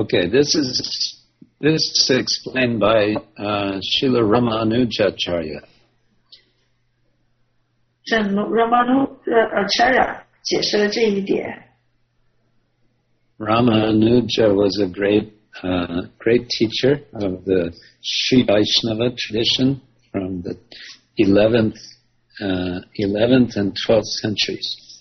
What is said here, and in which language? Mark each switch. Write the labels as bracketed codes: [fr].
[en] This is explained by Srila Ramanujacharya. [zh] 这 Ramanujacharya 解释了这一点。 [en] Ramanuja was a great teacher of the Sri Vaishnava tradition from the 11th and 12th centuries.